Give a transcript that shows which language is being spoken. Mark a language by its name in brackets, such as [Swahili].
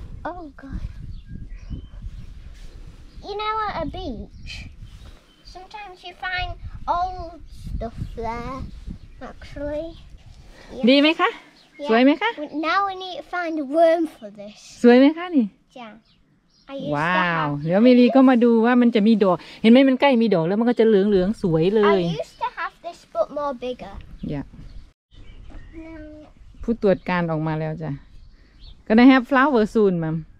[English] Oh god. You know at a beach, sometimes you find old stuff there. Actually. [Thai] ดีไหมคะสวยไหมคะ [English] Now we need to find a worm for this. [Thai] สวยไหมคะนี่ [English] Yeah. [Thai] ว้าวเดี๋ยวมิลีก็มาดูว่ามันจะมีดอกเห็นไหมมันใกล้มีดอกแล้วมันก็จะเหลืองๆสวยเลย [English] I used to have this but more bigger. Yeah. [Thai] ผู้ตรวจการออกมาแล้วจ้ะ [English] Gonna have flower soon, ma'am.